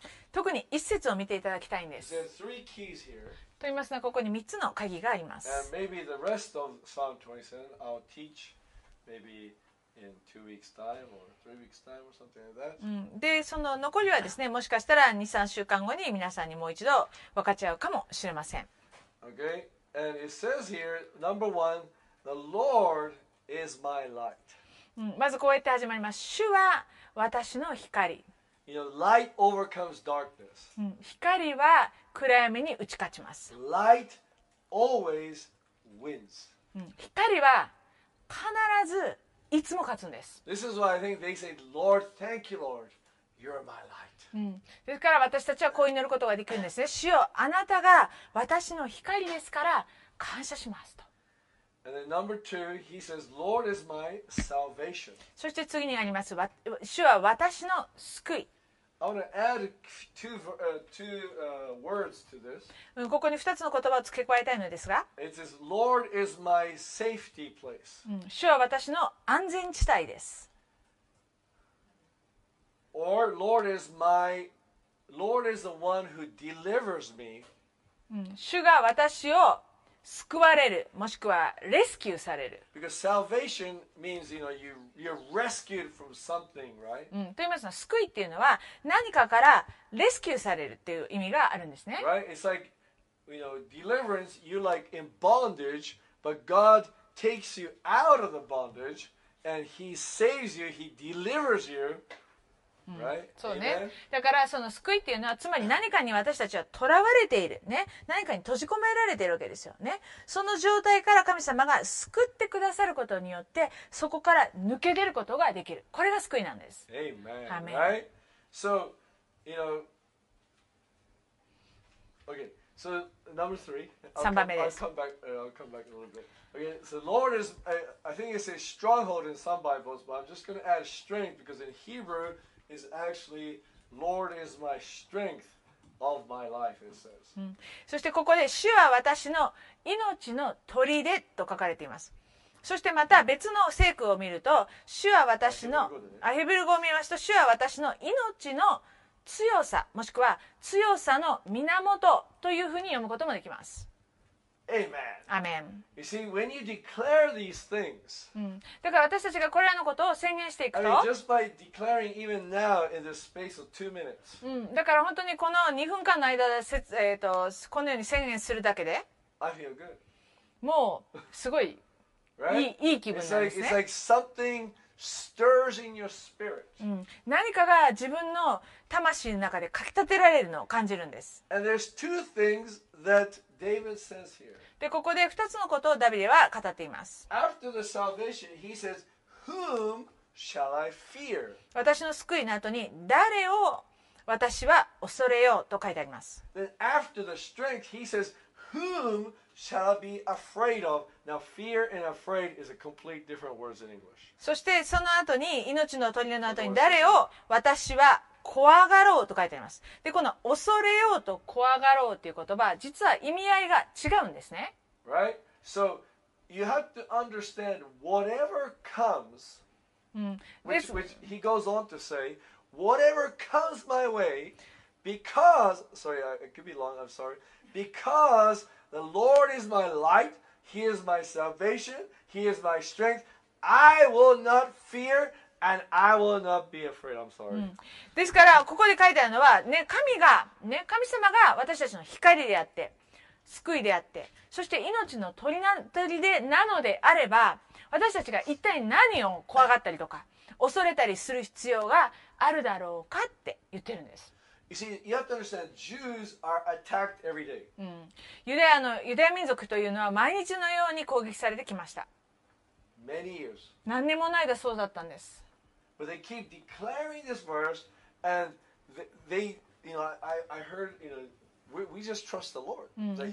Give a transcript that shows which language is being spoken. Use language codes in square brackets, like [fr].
[ja] 特に一節を見ていただきたいんです。と言いますのは、ここに3つの鍵があります。 [en] And maybe the rest of Psalm 27, I'll teach maybe in 2 weeks' time or 3 weeks' time or something like that. [ja] で、その残りはですね、もしかしたら2、3週間後に皆さんにもう一度分かち合うかもしれません。 [en] Okay? And it says here, number one, the Lord is my light. [ja] まずこうやって始まります。主は私の光。 [en] Light overcomes darkness. [ja] 光は暗闇に打ち勝ちます。 [en] Light always wins. [ja] 光は必ずいつも勝つんです。 [en] This is why I think they say, Lord, thank you, Lord, you're my light. [ja] ですから私たちはこう祈ることができるんですね。主よ、あなたが私の光ですから感謝しますと。 [en] And then number two, he says, Lord is my salvation. [ja] そして次にあります。主は私の救い。 [en] I want to add two words to this. [ja] ここに2つの言葉を付け加えたいのですが。 [en] It says, Lord is my safety place. [ja] 主は私の安全地帯です。 [en] Or, Lord is the one who delivers me. [ja] 主が私を救われる、もしくはレスキューされる。 [en] Because salvation means, you're rescued from something, right? [ja] と言いますのは、救いっていうのは何かからレスキューされるっていう意味があるんですね。 [en] Right? It's like, deliverance, you're like in bondage, but God takes you out of the bondage, and he saves you, he delivers you Right? [ja] そうね。だからその救いっていうのはつまり何かに私たちは囚われているね、何かに閉じ込められているわけですよね。その状態から神様が救ってくださることによってそこから抜け出ることができる。これが救いなんです。 [en] Amen. Amen. Right? So, you know, okay. So number three. [ja] 三番目です。 [en] I'll come back a little bit. Okay, so Lord is, I think it says stronghold in some Bibles, but I'm just going to add strength because in Hebrew it's actually Lord is my strength of my life, it says. [ja] そしてここで主は私の命の砦と書かれています。そしてまた別の聖句を見ると、主は私の、あ、ヘブル語を見ますと、主は私の命の強さ、もしくは強さの源というふうに読むこともできます。 [en] Amen. You see, when you declare these things, [ja] だから私たちがこれらのことを宣言していくと、 [en] just by declaring even now in this space of two minutes, [ja] だから本当にこの2分間の間でこのように宣言するだけで、 [en] I feel good. [ja] もうすごい [en] right? [ja] いい気分なんですね。 [en] It's like something stirs in your spirit. [ja] 何かが自分の魂の中でかきたてられるのを感じるんです。 [en] And there's two things that David says here. [ja] でここで2つのことをダビデは語っています。 [en] After the salvation, he says, "Whom shall I fear?" [ja] 私の救いの後に誰を私は恐れようと書いてあります。 [en] Then after the strength, he says, "Whom shall I be afraid of?" Now, fear and afraid is a complete different words in English. [ja] そしてその後に命の砦の後に誰を私は怖がろうと書いてあります。で、この恐れようと怖がろうという言葉、実は意味合いが違うんですね。 [en] Right? So, you have to understand whatever comes, which he goes on to say, whatever comes my way, because, sorry, it could be long, I'm sorry, because the Lord is my light, He is my salvation, He is my strength, I will not fear. And I will not be afraid. I'm sorry. [ja] ですからここで書いてあるのは、ね、神が、ね、神様が私たちの光であって救いであってそして命の砦なのであれば私たちが一体何を怖がったりとか恐れたりする必要があるだろうかって言ってるんです。 [en] You see, you have to understand Jews are attacked every day. [ja] ユダヤ民族というのは毎日のように攻撃されてきました。 [en] Many years. [ja] 何年もの間そうだったんです。 [en] But they keep declaring this verse, and they, you know, I heard, you know, we just trust the Lord.